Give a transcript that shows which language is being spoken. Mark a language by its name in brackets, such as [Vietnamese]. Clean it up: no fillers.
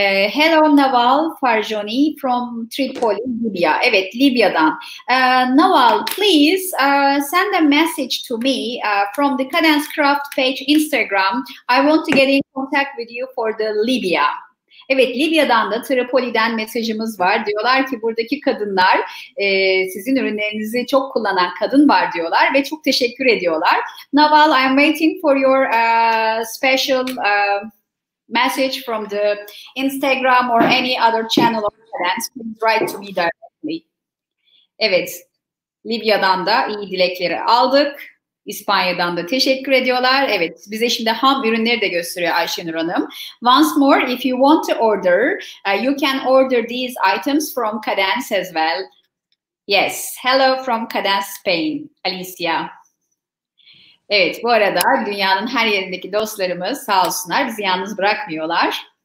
[English] Hello Naval Farjoni from Tripoli, Libya. [Turkish] Evet, Libya'dan. [English] Naval, please send a message to me from the Cadence Craft page Instagram. I want to get in contact with you for the Libya. [Turkish] Evet, Libya'dan da Tripoli'den mesajımız var. Diyorlar ki buradaki kadınlar sizin ürünlerinizi çok kullanan kadın var diyorlar ve çok teşekkür ediyorlar. [English] Naval, I'm waiting for your special message from the Instagram or any other channel of friends. Please write to me directly. [Turkish] Evet, Libya'dan da iyi dilekleri aldık. İspanya'dan da teşekkür ediyorlar. Evet, bize şimdi ham ürünleri de gösteriyor Ayşenur Hanım. [English] Once more, if you want to order, you can order these items from Cadence as well. Yes, hello from Cadence Spain, Alicia. [Turkish] Evet, bu arada dünyanın her yerindeki dostlarımız sağ olsunlar, bizi yalnız bırakmıyorlar.